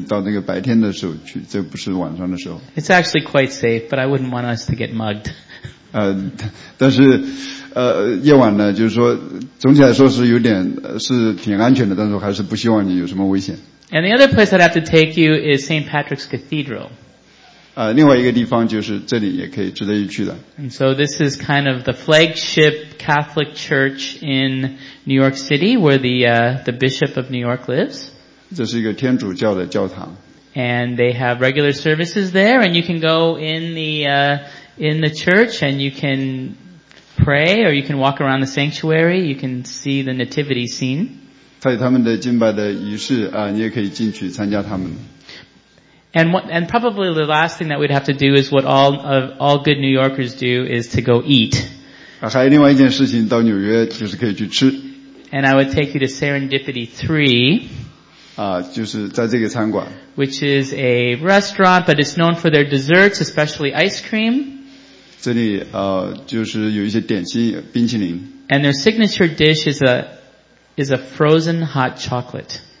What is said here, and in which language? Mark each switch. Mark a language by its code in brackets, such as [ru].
[zh] 如果我想给你一个就是向导的话，我建议你到那个白天的时候去，这不是晚上的时候。 [en] It's actually quite safe, but I wouldn't want us to get mugged. [zh] 但是夜晚呢，就是说总体来说是有点是挺安全的，但是还是不希望你有什么危险。 [en] And the other place I'd have to take you is St. Patrick's Cathedral. [zh] 另外一个地方就是这里也可以值得一去的。 [en] And so this is kind of the flagship Catholic church in New York City where the Bishop of New York lives. [zh] 这是一个天主教的教堂。 [en] And they have regular services there and you can go in the church and you can pray or you can walk around the sanctuary, you can see the nativity scene. [zh] 在他们的敬拜的仪式，你也可以进去参加他们。 [en] And probably the last thing that we'd have to do is what all good New Yorkers do is to go eat. [zh] 还有另外一件事情，到纽约就是可以去吃。 [en] And I would take you to Serendipity 3. [zh] 就是在这个餐馆。 [en] Which is a restaurant, but it's known for their desserts, especially ice cream. [zh] 这里就是有一些点心冰淇淋。 [en] And their signature dish is a frozen hot chocolate.